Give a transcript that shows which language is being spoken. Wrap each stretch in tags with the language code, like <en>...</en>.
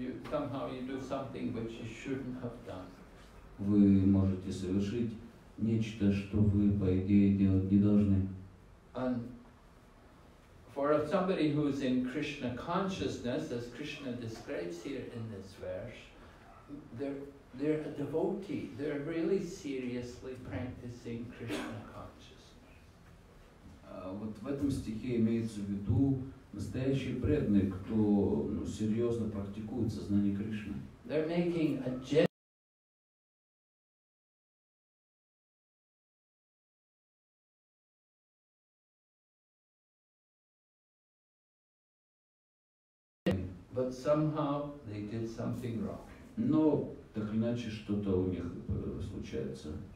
<en>Somehow you do something which you shouldn't have done.</en> <ru>Вы можете совершить нечто, что вы, по идее, делать не должны.</ru> <en>And for somebody who is in Krishna consciousness, as Krishna describes here in this verse, they're a devotee. They're really seriously practicing Krishna consciousness.</en> <ru>Вот в этом стихе имеется в виду настоящие преданные, кто серьезно практикует сознание Кришны.</ru> <en>They're making a genuine but somehow they did something wrong.</en> <ru>Но так или иначе что-то у них случается.</ru>